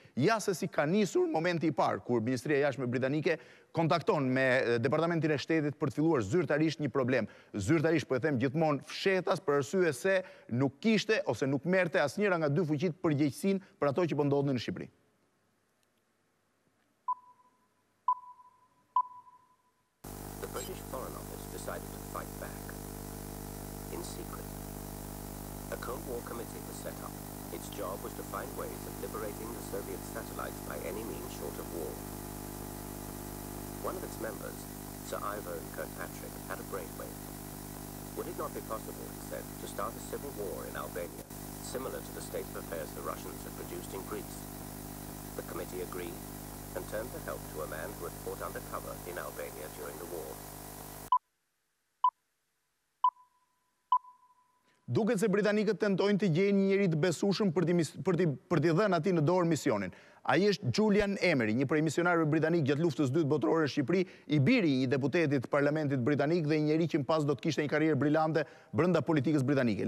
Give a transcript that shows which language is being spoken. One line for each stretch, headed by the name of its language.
Albanian: Ja se si ka nisur momenti i parë kur Ministria e Jashtme Britanike kontakton me Departamentin e Shtetit për të filluar zyrtarisht një problem. Zyrtarisht, po e them gjithmonë fshehtas, për arsye se nuk kishte ose nuk merrte asnjëra nga dy fuqit përgjegjësinë për ato që po ndodhin në Shqipëri.
English: The British Foreign Office decided to fight back in secret. A Cold War committee was set up. Its job was to find ways of liberating the Soviet satellites by any means short of war. One of its members, Sir Ivor and Kirkpatrick, had a brainwave. Would it not be possible, he said, to start a civil war in Albania, similar to the state of affairs the Russians had produced in Greece? The committee agreed and turned the help to a man who had fought undercover in Albania during the war.
Albanian: Duket se britanikët tentojnë të gjejnë një njeri të besueshëm për t'i dhënë atij në dorë misionin. Ai është Julian Emery, një prej misionarëve britanik gjatë luftës dytë botërore në Shqipëri, i biri i deputetit të parlamentit britanik dhe i njeri që mpas do të kishte një karrierë brillante brenda politikës britanike.